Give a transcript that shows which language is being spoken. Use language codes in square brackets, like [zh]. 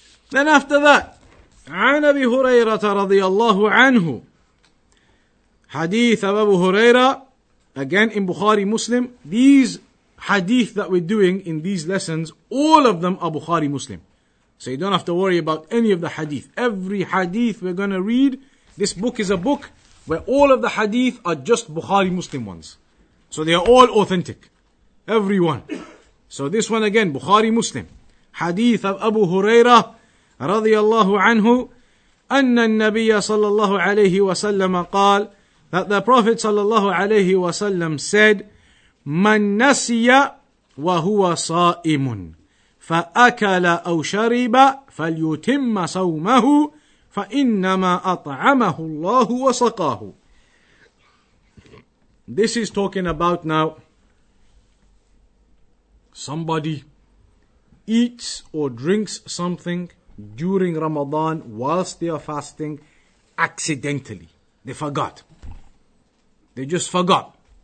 [en] Then after that, [ar] عن أبي هريرة رضي الله عنه حديث أبو هريرة. [en] Again in Bukhari Muslim. These hadith that we're doing in these lessons, all of them are Bukhari Muslim. So you don't have to worry about any of the hadith. Every hadith we're going to read, this book is a book where all of the hadith are just Bukhari Muslim ones. So they are all authentic. Everyone. So this one again, Bukhari Muslim. Hadith of Abu Huraira [ar] رضي الله عنه أن النبي صلى الله عليه وسلم قال [en] that the Prophet [ar] صلى الله عليه وسلم said من نسي وهو صائم فأكل أو شرب فليتم صومه فإنما أطعمه الله وسقاه. [en] This is talking about now somebody eats or drinks something during Ramadan whilst they are fasting accidentally. They forgot. They just forgot.